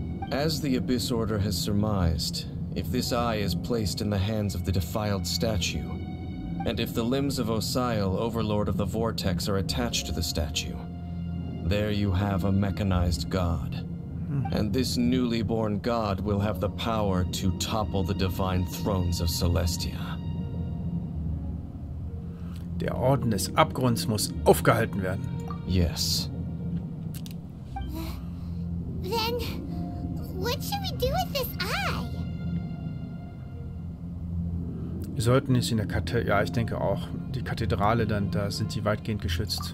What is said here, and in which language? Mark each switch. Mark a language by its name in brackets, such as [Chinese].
[English] As the Abyss Order has surmised, if this eye is placed in the hands of the defiled statue, and if the limbs of Osiel, Overlord of the Vortex, are attached to the statue, there you have a mechanized god. And this newly born god will have the power to topple the divine thrones of Celestia. [German] Der Orden des Abgrunds muss aufgehalten werden. [English] Yes. Then, what should we do with this eye? [German] Wir sollten nicht in der Kathedrale, ja, ich denke auch, die Kathedrale, dann da sind sie weitgehend geschützt.